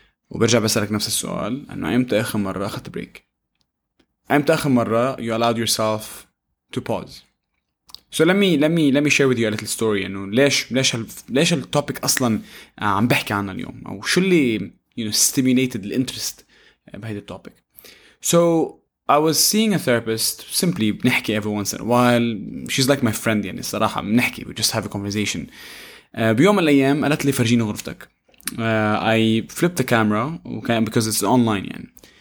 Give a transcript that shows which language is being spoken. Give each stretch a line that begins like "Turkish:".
Arabic: وبرجع بسألك نفس السؤال, أنه أمتى آخر مرة أخذت بريك؟ أمتى آخر مرة
English: you allowed yourself to pause? So let me share with you a little story.
Arabic: You know, ليش التوبيك اصلا عم بحكي عنه اليوم, او شو اللي,
English: you know, stimulated the interest
Arabic: بهذا التوبيك.
English: So I was seeing a therapist, simply بنحكي every once in a while. She's like my friend,
Arabic: يعني صراحة بنحكي,
English: we just have a conversation.
Arabic: بيوم من الايام قالت لي فرجيني غرفتك.
English: I flipped the camera, okay, because it's online, يعني.